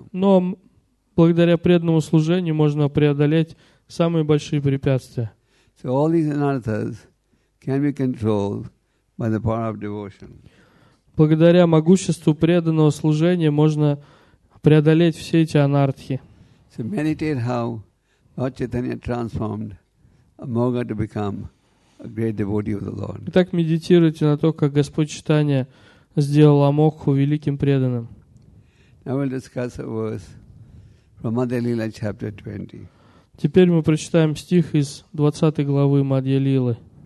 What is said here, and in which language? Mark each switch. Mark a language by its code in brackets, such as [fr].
[ru] Но благодаря преданному служению можно преодолеть самые большие препятствия. Благодаря могуществу преданного служения можно преодолеть все эти анартхи. [en] So meditate how Lord Chaitanya transformed a Moga to become a great devotee of the Lord. [ru] Итак, медитируйте на то, как Господь Чайтанья сделал Амокху великим преданным. [en] Now we'll discuss a verse from Madhya Lila, chapter 20. [ru] Теперь мы прочитаем стих из 20 главы Мадья Лилы.